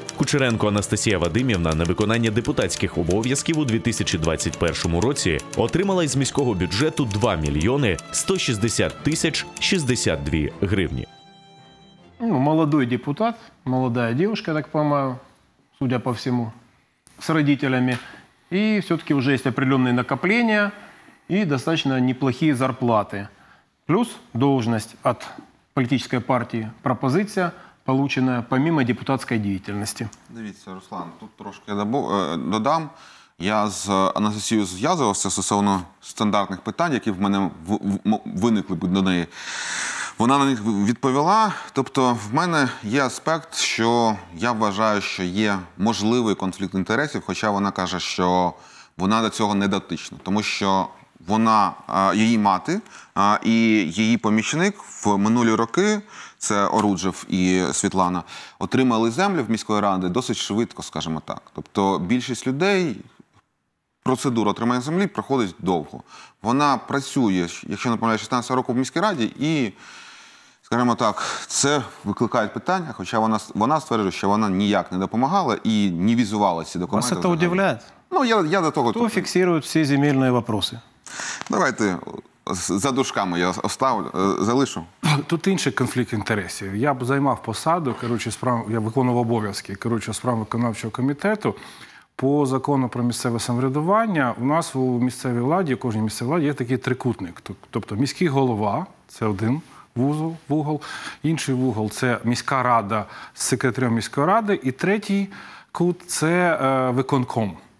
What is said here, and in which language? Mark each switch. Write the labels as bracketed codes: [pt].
[uk] Кучеренко Анастасія Вадимівна на виконання депутатських обов'язків у 2021 році отримала із міського бюджету 2 мільйони 160 тисяч 62 гривні. Ну, молодий депутат, молода дівчина, так по-моєму, [ru] судя по всьому, [uk] з родителями. І все-таки вже є определенні накоплення і достатньо неплохі зарплати. [ru] Плюс должность от политической партии «Пропозиция», полученная помимо депутатской деятельности. [uk] Дивіться, Руслан, тут трошки додам. Я з Анастасією зв'язувався стосовно стандартних питань, які в мене виникли б до неї. Вона на них відповіла. Тобто в мене є аспект, що я вважаю, що є можливий конфлікт інтересів, хоча вона каже, що вона до цього не дотична. Тому що вона, її мати і її помічник в минулі роки, це Оруджев і Світлана, отримали землю в міської ради досить швидко, скажімо так. Тобто більшість людей, процедура отримання землі проходить довго. Вона працює, якщо не помиляюсь, 16 років в міській раді, і, скажімо так, це викликає питання, хоча вона стверджує, що вона ніяк не допомагала і не візувала ці документи. Вас це удивляє? Ну, я до того... Хто фіксує всі земельні питання? Давайте за дужками я [ru] оставлю, [uk] залишу. Тут інший конфлікт інтересів. Я б займав посаду, я виконував обов'язки, керуючи справу виконавчого комітету. По закону про місцеве самоврядування, у нас у місцевій владі, у кожній місцевій владі є такий трикутник. Тобто міський голова – це один вугол, інший вугол – це міська рада з секретарем міської ради, і третій кут – це виконком.